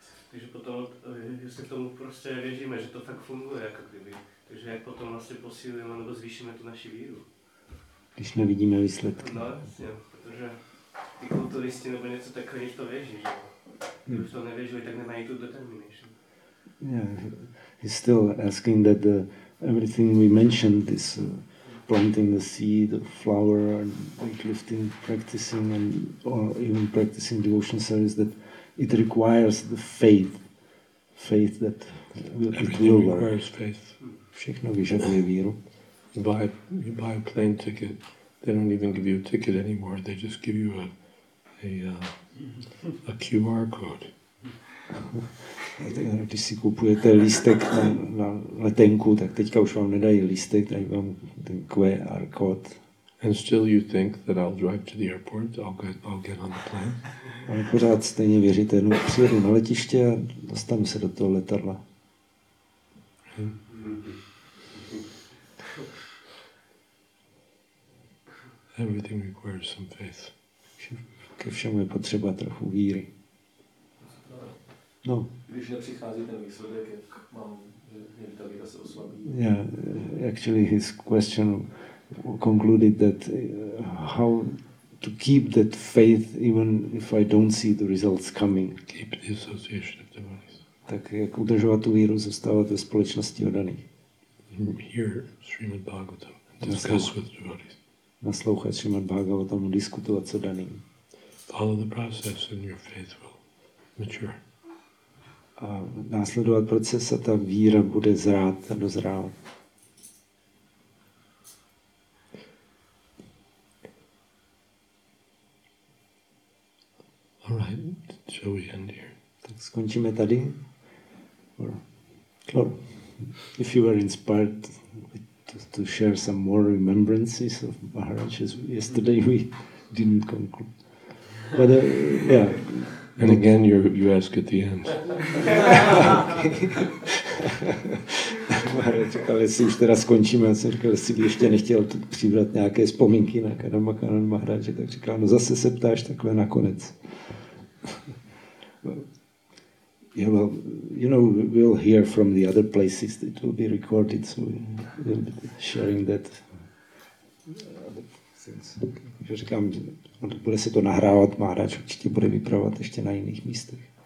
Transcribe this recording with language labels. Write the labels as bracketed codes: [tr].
[cs] Takže potom, jestli tomu prostě věříme, že to fakt funguje, jako kdyby. Takže jak potom vlastně posílíme nebo zvýšíme tu naši víru. Když nevidíme výsledky. No, jasně, protože ty kulturisti nebo něco takové, když to věří, že jo. Když to nevěří, tak nemají tu determination. [en] Yeah, he's still asking that everything we mentioned, this planting the seed, flower, and weightlifting, practicing, and or even practicing devotional service, that it requires the faith that it will work. Everything requires faith. [cs] Všechno vyžaduje víru. [en] You buy a plane ticket, they don't even give you a ticket anymore, they just give you a QR code. [cs] Když si kupujete lístek na letenku, tak teďka už vám nedají lístek, dají vám ten QR kód. [en] And still you think that I'll drive to the airport, I'll get on the plane. [cs] Ale pořád stejně věříte, no přijedu na letiště a dostanu se do toho letadla. [en] Everything requires some faith. [cs] Ke všemu je potřeba trochu víry. No. Když nepřichází ten výsledek, jak mám, že ta víra se oslabí. [en] Yeah, actually his question concluded that how to keep that faith even if I don't see the results coming. Keep the association of devotees. [cs] Tak jak udržovat tu víru, zůstávat ve společnosti oddaných. [en] Hear Srimad Bhagavatam, discuss with devotees. [cs] Naslouchat Srimad Bhagavatam, diskutovat s oddaným. [en] Follow the process and your faith will mature. [cs] A následovat proces a ta víra bude zrát a dozrávat. [en] All right, shall we end here? [cs] Tak skončíme tady. [en] Or, Claude, if you were inspired to share some more remembrances of Maharaj's yesterday, we didn't conclude. But yeah. And again, you ask at the end. [cs] Maharaj, ale si už teda skončíme. Já jsem říkal, jestli by ještě nechtěl přibrat nějaké vzpomínky na Kadamakanan Maharaj, tak říkal, no zase se ptáš takhle nakonec. [en] Yeah, well, you know, we'll hear from the other places that it will be recorded, so we'll be sharing that. [cs] Já říkám, bude se to nahrávat, Maharaj určitě bude vypravovat ještě na jiných místech.